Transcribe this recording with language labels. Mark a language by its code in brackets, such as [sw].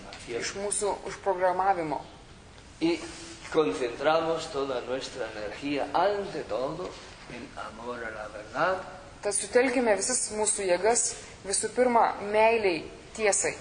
[lt] Iš mūsų užprogramavimo. [es] Y concentramos toda nuestra energía ante todo [lt] Tad sutelkime visas mūsų jėgas, visų pirma, meiliai tiesai.